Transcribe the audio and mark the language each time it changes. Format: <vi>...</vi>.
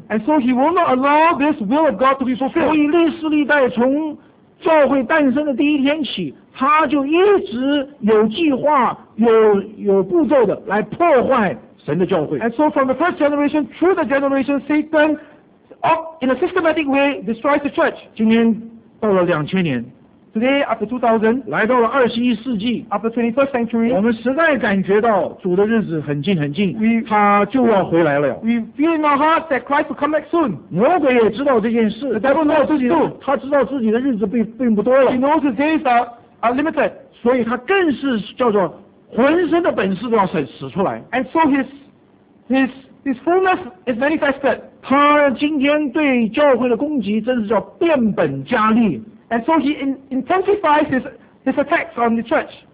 <en>and so he will not allow this will of God to be fulfilled</en> <zh>所以历史历代从教会诞生的第一天起他就一直有计划 有步骤的来破坏神的教会</zh> <en>and so from the first generation through the generation Satan in a systematic way destroys the church</en> <zh>今天到了两千年</zh> <en>Today, after 2000,</en> <zh>来到了二十一世纪</zh> <en>after 21st century,</en> <zh>我们实在感觉到主的日子很近很近</zh> <en>we,</en> <zh>他就要回来了</zh> <en>We feel in our hearts that Christ will come back soon</en> <zh>魔鬼也知道这件事</zh> <en>The devil knows</en> <zh>他知道自己的日子 并不多了</zh> <en>He knows his days are limited</en> <zh>所以他更是叫做浑身的本事都要使出来</zh> <en>And so his fullness is manifested</en> <zh>他今天对教会的攻击真是叫变本加厉</zh> <en>And so he intensifies his attacks on the church.</en>